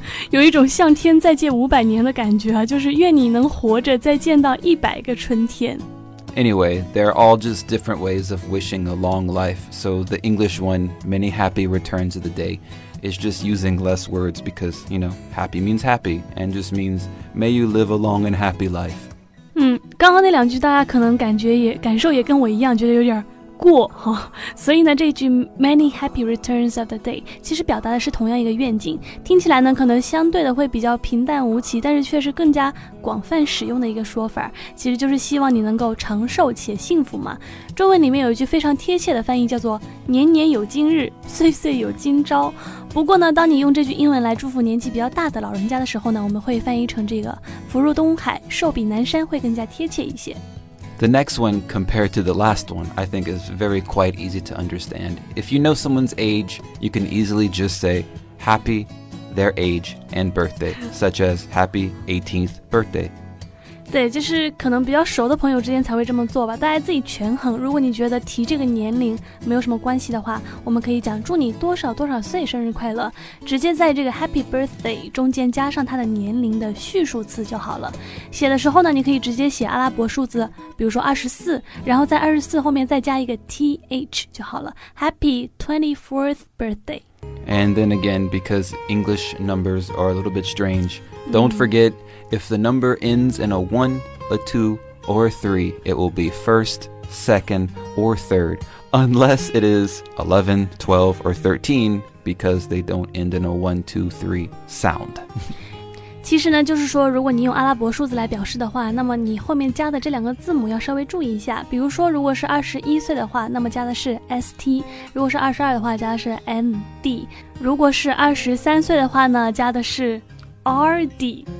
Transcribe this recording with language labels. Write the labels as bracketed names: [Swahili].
[Chinese] 有一种向天再借五百年的感觉啊，就是愿你能活着再见到一百个春天。 [English] Anyway, they're all just different ways of wishing a long life. So the English one, many happy returns of the day, is just using less words because, you know, happy means happy and just means may you live a long and happy life. [Chinese] 嗯，刚刚那两句大家可能感受也跟我一样，觉得有点过哈，所以呢，这句 [English] many happy returns of the day [Chinese] 其实表达的是同样一个愿景，听起来呢可能相对的会比较平淡无奇，但是却是更加广泛使用的一个说法，其实就是希望你能够长寿且幸福嘛。中文里面有一句非常贴切的翻译叫做年年有今日，岁岁有今朝。不过呢，当你用这句英文来祝福年纪比较大的老人家的时候呢，我们会翻译成这个福如东海，寿比南山，会更加贴切一些。 [English] The next one, compared to the last one, I think is very quite easy to understand. If you know someone's age, you can easily just say happy their age and birthday, such as happy 18th birthday. [Chinese] 对，就是可能比较熟的朋友之间才会这么做吧，大家自己权衡。如果你觉得提这个年龄没有什么关系的话，我们可以讲祝你多少多少岁生日快乐，直接在这个 [English] happy birthday [Chinese] 中间加上他的年龄的序数词就好了。写的时候呢，你可以直接写阿拉伯数字，比如说24，然后在24后面再加一个 th 就好了， [English] happy 24th birthday。 And then again, because English numbers are a little bit strange, don't forget if the number ends in a 1, a 2, or a 3, it will be 1st, 2nd, or 3rd, unless it is 11, 12, or 13, because they don't end in a 1, 2, 3 sound. [Chinese] 其实呢，就是说，如果你用阿拉伯数字来表示的话，那么你后面加的这两个字母要稍微注意一下。比如说，如果是21岁的话，那么加的是 ST； 如果是22的话，加的是 ND； 如果是23岁的话呢，加的是 RD。